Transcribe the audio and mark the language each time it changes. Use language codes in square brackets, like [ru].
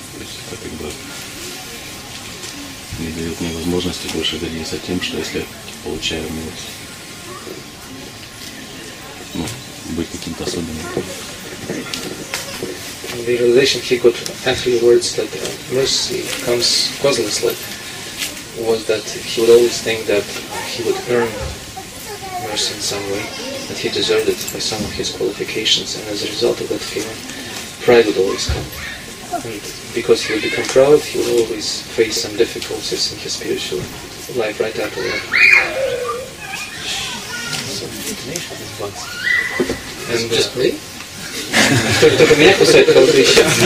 [ru] То есть это как бы не дает мне возможности больше гордиться тем, что если получаю милость, ну, быть каким-то особенным. [en] The realization he got after the words that mercy comes causelessly was that he would always think that he would earn mercy in some way, that he deserved it by some of his qualifications, and as a result of that feeling, pride would always come. And because he will become proud, he will always face some difficulties in his spiritual life right after that. And just me? [ru] Только меня кусает колдрища.